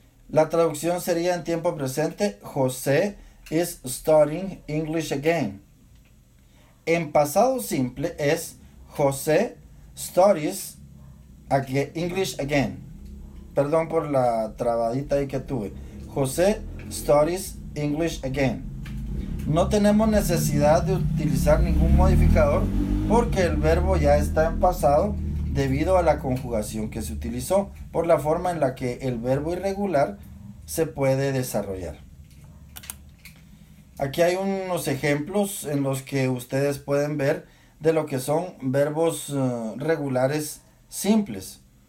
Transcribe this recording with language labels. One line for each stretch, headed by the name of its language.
Spanish: La traducción sería en tiempo presente, José
English: is studying English again.
Spanish: En pasado simple es José
English: studies English again.
Spanish: Perdón por la trabadita ahí que tuve.
English: José studies English again.
Spanish: No tenemos necesidad de utilizar ningún modificador porque el verbo ya está en pasado debido a la conjugación que se utilizó, por la forma en la que el verbo irregular se puede desarrollar. Aquí hay unos ejemplos en los que ustedes pueden ver de lo que son verbos regulares simples.